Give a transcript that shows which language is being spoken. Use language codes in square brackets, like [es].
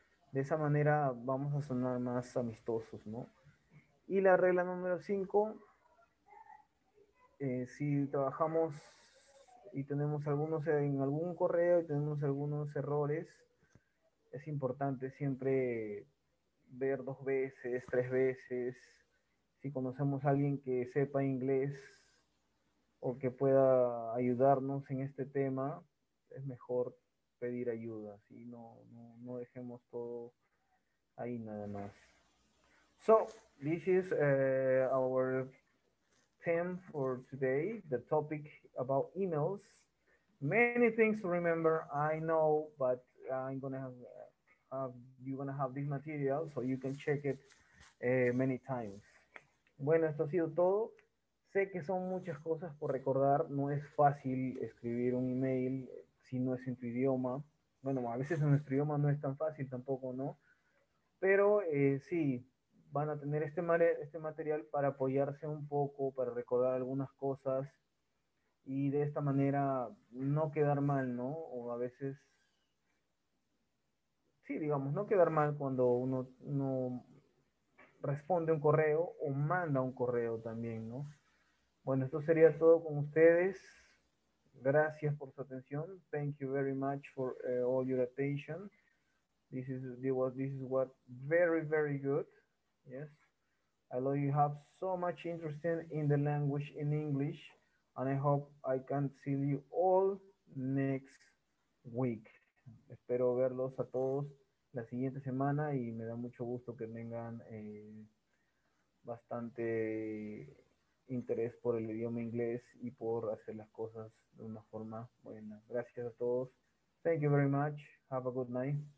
[es] De esa manera vamos a sonar más amistosos, ¿no? Y la regla número 5, si trabajamos y tenemos algunos en algún correo y tenemos algunos errores, es importante siempre ver dos veces, tres veces. Si conocemos a alguien que sepa inglés o que pueda ayudarnos en este tema, es mejor pedir ayuda, ¿sí? No dejemos todo ahí nada más. [en] So, this is our theme for today, the topic about emails. Many things to remember, I know, but I'm gonna have you're gonna have this material so you can check it many times. [es] Bueno, esto ha sido todo. Sé que son muchas cosas por recordar. No es fácil escribir un email si no es en tu idioma. Bueno, a veces en nuestro idioma no es tan fácil tampoco, ¿no? Pero sí, van a tener este material para apoyarse un poco, para recordar algunas cosas y de esta manera no quedar mal, ¿no? O a veces, sí, digamos, no quedar mal cuando uno no responde un correo o manda un correo también, ¿no? Bueno, esto sería todo con ustedes. Gracias por su atención. [en] Thank you very much for all your attention. This is what very, very good. Yes. I know you have so much interest in the language in English, and I hope I can see you all next week. [es] Espero verlos a todos la siguiente semana y me da mucho gusto que tengan bastante interés por el idioma inglés y por hacer las cosas de una forma buena. Gracias a todos. [en] Thank you very much. Have a good night.